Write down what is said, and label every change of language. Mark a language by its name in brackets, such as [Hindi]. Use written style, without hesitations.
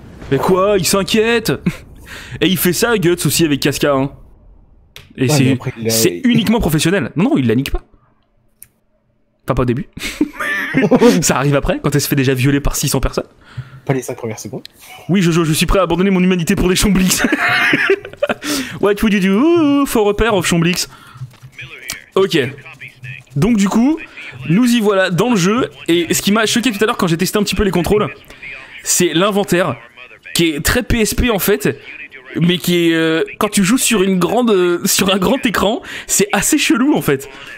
[French] Mais quoi, il s'inquiète. Et il fait ça à Guts aussi avec Casca, hein. Et ouais, c'est uniquement professionnel. Non, il la nique pas. Enfin, pas au début. Ça arrive après, quand elle se fait déjà violer par 600 personnes. Pas les 5 premières secondes. Oui, Jojo, je suis prêt à abandonner mon humanité pour les Chomblix. [English] What would you do for a pair of Chomblix? [French] Ok, donc du coup, nous y voilà dans le jeu, et ce qui m'a choqué tout à l'heure quand j'ai testé un petit peu les contrôles, c'est l'inventaire, qui est très PSP en fait, mais qui est, quand tu joues sur une grande, sur un grand écran, c'est assez chelou en fait.